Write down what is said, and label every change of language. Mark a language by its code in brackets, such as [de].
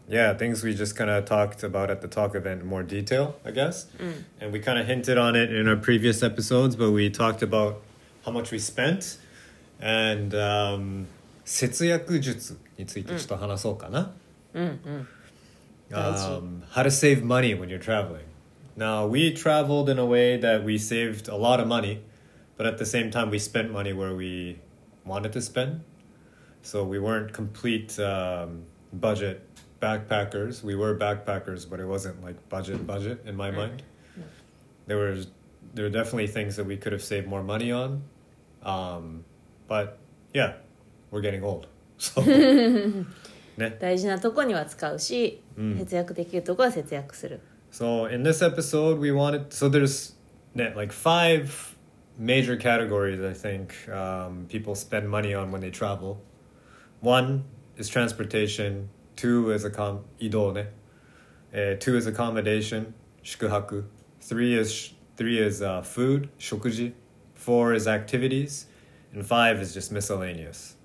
[en] Yeah, things we just kind of talked about at the talk event in more detail, I guess.、うん、 and we kind of hinted on it in our previous episodes, but we talked about how much we spent. [ja] And、節約術についてちょっと話そうかな。 [en] How to save money when you're traveling. Now, we traveled in a way that we saved a lot of money. But at the same time, we spent money where we wanted to spend. So we weren't complete、budget backpackers. We were backpackers, but it wasn't like budget in my mind. There were definitely things that we could have saved more money on.、but yeah, we're getting old. So, [ja] 大事なとこには使うし、節約できるとこは節約する。 [en] So in this episode, we wanted... So there's、ね、like five... major categories I think、people spend money on when they travel. One is transportation, two is 移動ね、two is accommodation, 宿泊、three is food, 食事、four is activities, and five is just miscellaneous.